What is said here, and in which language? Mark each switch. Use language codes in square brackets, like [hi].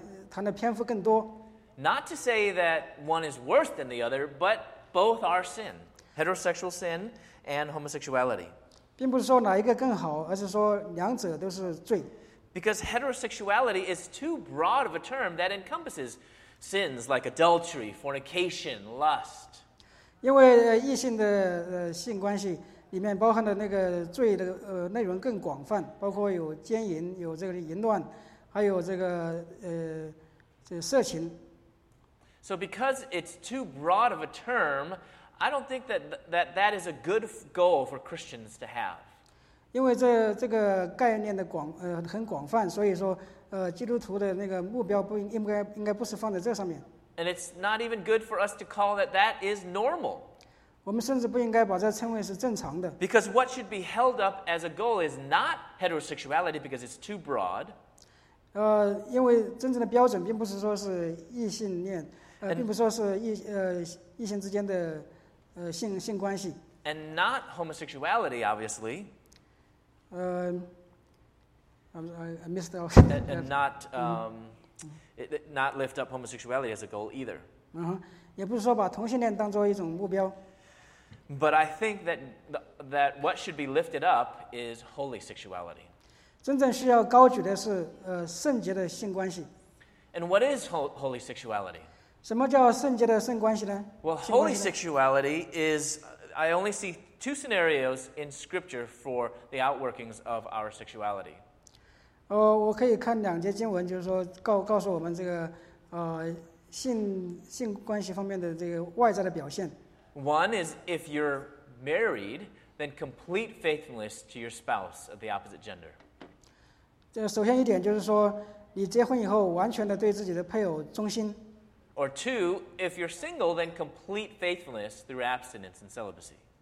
[en] Not to say that one is worse than the other, but both are sin, heterosexual sin and homosexuality. [zh] 并不是说哪一个更好，而是说两者都是罪。 [en] Because heterosexuality is too broad of a term that encompasses sins like adultery, fornication, lust. [zh] 因为异性的性关系。里面包含的那个罪的内容更广泛，包括有奸淫，有这个淫乱，还有这个色情。 [en] So because it's too broad of a term, I don't think that is a good goal for Christians to have. [zh] 因为这个概念的很广泛，所以说基督徒的那个目标应该不是放在这上面。 [en] And it's not even good for us to call that is normal. Because what should be held up as a goal is not heterosexuality because it's too broad. And not homosexuality, obviously. And not lift up homosexuality as a goal either. But I think that what should be lifted up is holy sexuality. [zh] 真正需要高举的是, [en] And what is holy sexuality? [zh] 什么叫圣洁的圣关系呢? [en] Well, holy sexuality is, I only see two scenarios in Scripture for the outworkings of our sexuality. [zh] 我可以看两节经文,就是说告诉我们这个, 性关系方面的这个外在的表现。 [en] One is if you're married, then complete faithfulness to your spouse of the opposite gender. [zh] 首先一点就是说, 你结婚以后完全地对自己的配偶忠心。 [en] Or two, if you're single, then complete faithfulness through abstinence and celibacy.